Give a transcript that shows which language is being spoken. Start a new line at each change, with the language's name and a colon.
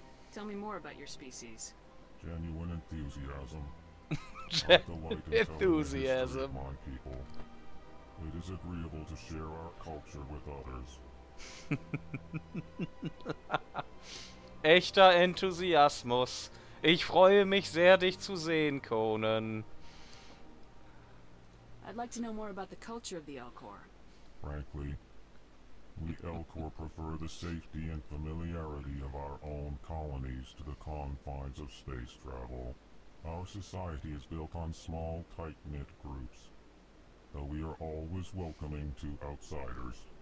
English: Tell me more about your species. Genuine enthusiasm. Enthusiasm. My people. It is agreeable to share our culture with others.
German: Echter Enthusiasmus. Ich freue mich sehr, dich zu sehen, Conan.
English: I'd like to know more about the culture of the Elcor. Frankly, we Elcor prefer the safety and familiarity of our own colonies to the confines of space travel. Our society is built on small, tight-knit groups, though we are always welcoming to outsiders.